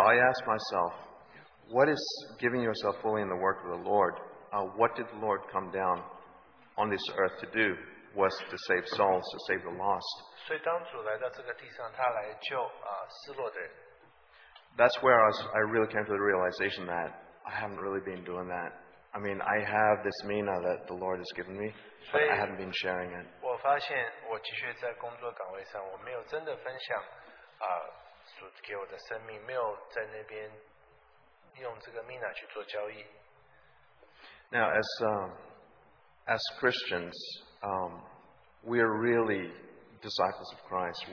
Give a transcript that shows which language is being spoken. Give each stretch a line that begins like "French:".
English: I ask myself, what is giving yourself fully in the work of the Lord? What did the Lord come down on this earth to do? Was to save souls, to save the lost.
Chinese: 所以当主来到这个地上，他来救失落的人。
English: That's where I really came to the realization that I haven't really been doing that. I mean, I have this mina that the Lord has given me, but I haven't been sharing it.
Chinese: 我发现我继续在工作岗位上，我没有真的分享主给我的生命，没有在那边用这个mina去做交易。
English: Now, as Christians, we are really disciples of Christ.